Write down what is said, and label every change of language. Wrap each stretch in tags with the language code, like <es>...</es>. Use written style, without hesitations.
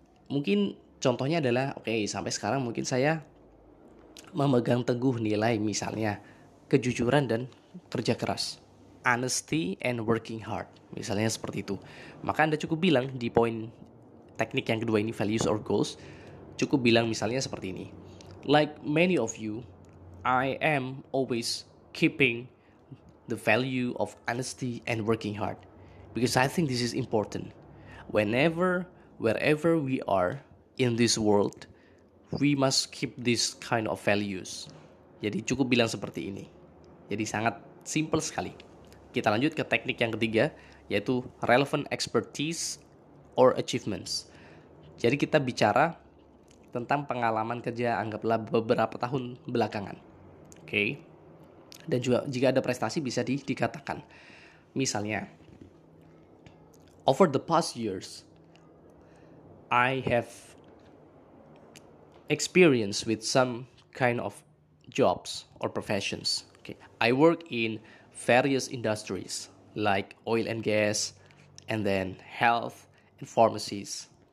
<id>Mungkin contohnya adalah, oke, sampai sekarang mungkin saya memegang teguh nilai misalnya kejujuran dan kerja keras.</id> <en>Honesty and working hard,</en> <id>misalnya seperti itu. Maka Anda cukup bilang di poin teknik yang kedua ini, values or goals, cukup bilang misalnya seperti ini.</id> <en>Like many of you, I am always keeping the value of honesty and working hard because I think this is important. Whenever, wherever we are in this world, we must keep this kind of values.</en> <id>Jadi cukup bilang seperti ini. Jadi sangat simple sekali. Kita lanjut ke teknik yang ketiga, yaitu</id> <en>relevant expertise or achievements.</en> <id>Jadi kita bicara tentang pengalaman kerja, anggaplah beberapa tahun belakangan. Oke. Dan juga jika ada prestasi bisa dikatakan. Misalnya,</id> <en>over the past years, I have experience with some kind of jobs or professions. Okay. I work in various industries like oil and gas, and then health and pharmacies.</en>